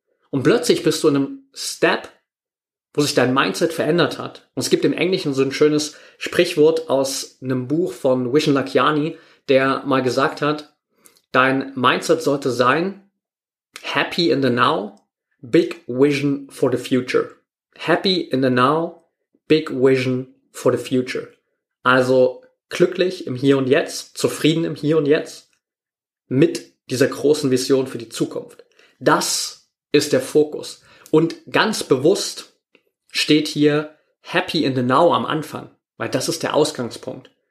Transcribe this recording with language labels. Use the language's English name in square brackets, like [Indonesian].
[German] Und plötzlich bist du in einem Step, wo sich dein Mindset verändert hat. Und es gibt im Englischen so ein schönes Sprichwort aus einem Buch von Vishen Lakhiani, der mal gesagt hat, dein Mindset sollte sein, [English] happy in the now, big vision for the future. Happy in the now, big vision for the future. [German] Also glücklich im Hier und Jetzt, zufrieden im Hier und Jetzt mit dieser großen Vision für die Zukunft. Das ist der Fokus. Und ganz bewusst steht hier [English] happy in the now [German] am Anfang, weil das ist der Ausgangspunkt.